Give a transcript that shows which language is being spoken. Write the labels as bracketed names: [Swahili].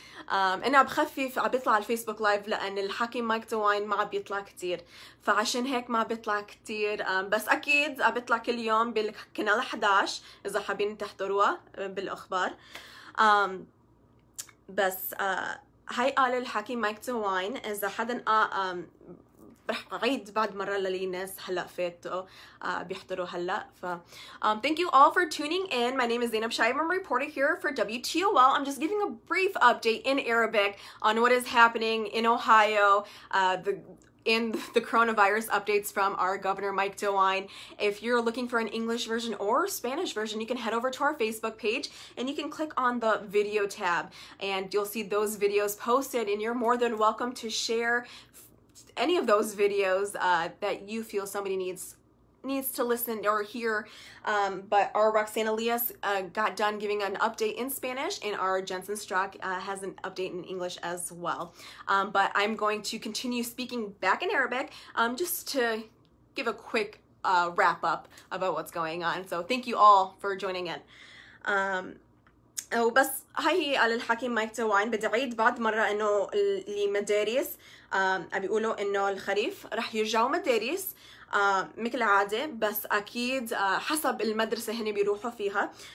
[Arabic] انا بخفف عم بيطلع على الفيسبوك لايف لان الحكي مايك دواين ما عم بيطلع كثير، فعشان هيك ما بيطلع كثير، بس اكيد عم بيطلع كل يوم بالقناه 11 اذا حابين تحضروها بالاخبار. بس هاي قال الحكي مايك دواين، إذا حدا رح أعيد بعد مرة للي ناس هلأ فاتوا بيحضروا هلأ. [English] Thank you all for tuning in. My name is Zainab Shaib. I'm a reporter here for WTOL. I'm just giving a brief update in Arabic on what is happening in Ohio, the coronavirus updates from our governor Mike DeWine. If you're looking for an English version or Spanish version, you can head over to our Facebook page and you can click on the video tab and you'll see those videos posted, and you're more than welcome to share any of those videos that you feel somebody needs to listen or hear. But our Roxana Elias got done giving an update in Spanish, and our Jensen Strock has an update in English as well. But I'm going to continue speaking back in Arabic just to give a quick wrap up about what's going on. So thank you all for joining in. [Arabic] وبس هاي هي قال الحكي مايك دواين. بدي عيد بعد مرة انه المدارس بيقولوا انه الخريف رح يرجعوا مدارس مثل العادة، بس اكيد حسب المدرسة هني بيروحوا فيها.